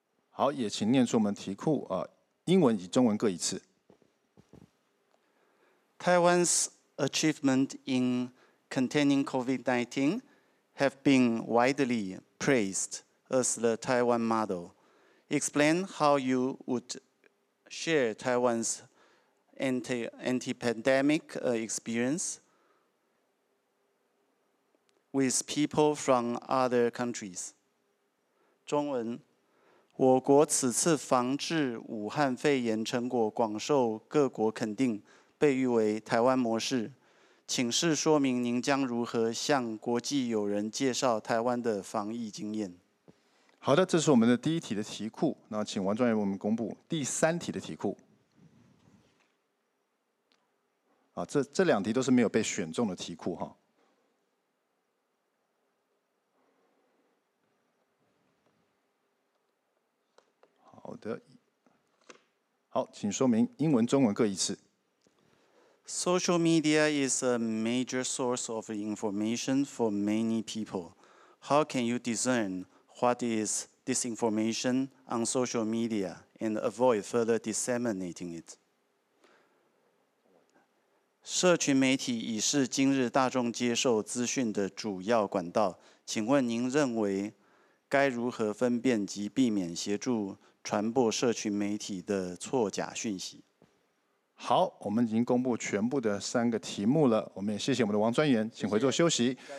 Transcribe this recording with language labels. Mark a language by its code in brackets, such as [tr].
[zh] 好，也请念出我们题库英文以及中文各一次。 [en] Taiwan's achievement in containing COVID-19 have been widely praised as the Taiwan model. Explain how you would share Taiwan's anti-pandemic experience with people from other countries. [zh] 中文，我国此次防治武汉肺炎成果广受各国肯定，被誉为台湾模式，请示说明您将如何向国际友人介绍台湾的防疫经验。好的，这是我们的第一题的题库，那请王专员为我们公布第三题的题库。啊，这两题都是没有被选中的题库哈。好的，好，请说明英文、中文各一次。 [en] Social media is a major source of information for many people. How can you discern what is disinformation on social media and avoid further disseminating it? [zh] 社群媒体已是今日大众接受资讯的主要管道。请问您认为该如何分辨及避免协助传播社群媒体的错假讯息？好，我们已经公布全部的三个题目了，我们也谢谢我们的王专员，请回座休息。